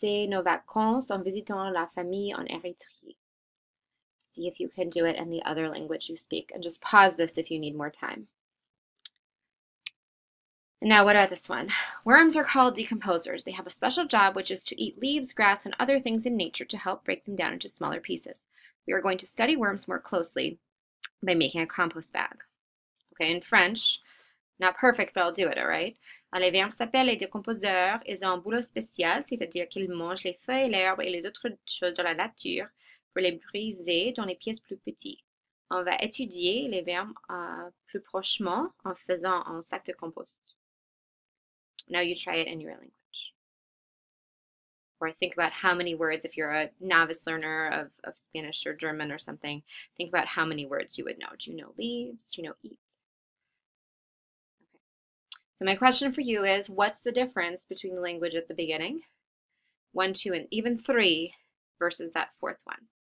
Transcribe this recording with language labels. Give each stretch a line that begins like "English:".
French: C'est nos vacances en visitant la famille en Érythrée.
English: See if you can do it in the other language you speak. And just pause this if you need more time. Now, what about this one? Worms are called decomposers. They have a special job, which is to eat leaves, grass, and other things in nature to help break them down into smaller pieces. We are going to study worms more closely by making a compost bag. Okay, in French, not perfect, but I'll do it, all right?
French: Alors, les vers s'appellent les décomposeurs. Ils ont un boulot spécial, c'est-à-dire qu'ils mangent les feuilles, l'herbe et les autres choses de la nature pour les briser dans les pièces plus petites. On va étudier les vers plus prochainement en faisant un sac de compost.
English: Now you try it in your language. Or think about how many words, if you're a novice learner of Spanish or German or something, think about how many words you would know. Do you know leaves? Do you know eat? So my question for you is, what's the difference between the language at the beginning, one, two, and even three, versus that fourth one?